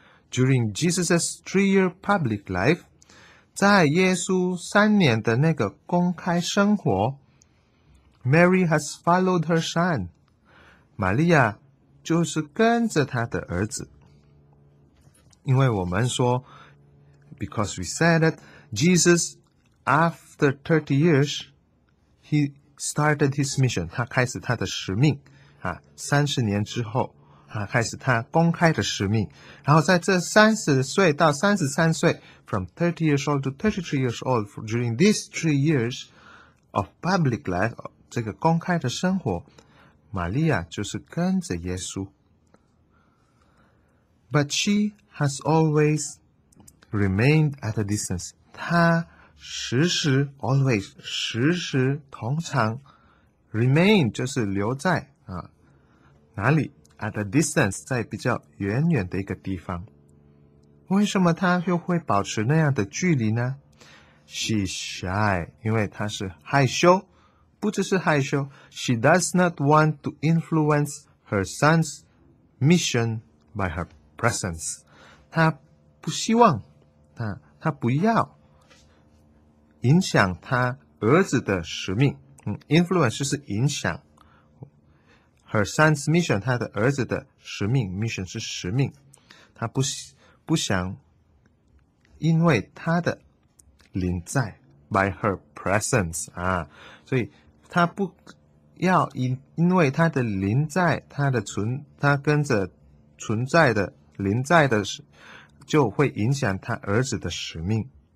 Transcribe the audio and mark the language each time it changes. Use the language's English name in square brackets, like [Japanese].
[English] During Jesus' three-year public life, [Chinese] 在耶稣三年的那个公开生活， [English] Mary has followed her son. [Chinese] 玛利亚就是跟着他的儿子。因为我们说 [English] because we said that Jesus, after 30 years, he started his mission. [Chinese] 他开始他的使命。 30年之后开始他公开的使命，然后在这30岁到33岁 [English] from 30 years old to 33 years old during these 3 years of public life [Chinese] 这个公开的生活，玛利亚就是跟着耶稣。 [English] But she has always remained at a distance. [Chinese] 她时时 always 时时通常 remain 就是留在哪里 [English] at a distance [Chinese] 在比较远远的一个地方。为什么他又会保持那样的距离呢？ [English] She is shy, [Chinese] 因为他是害羞，不只是害羞， [English] She does not want to influence her son's mission by her presence. [Chinese] 他不希望 他不要影响他儿子的使命。 Influence 就是影响。 [English] Her son's mission, [Chinese] 他的儿子的使命 ,mission 是使命。他不想因为他的临在 , [English] by her presence, [Chinese] 所以他不要因为他的临在他跟着存在的临在的就会影响他儿子的使命。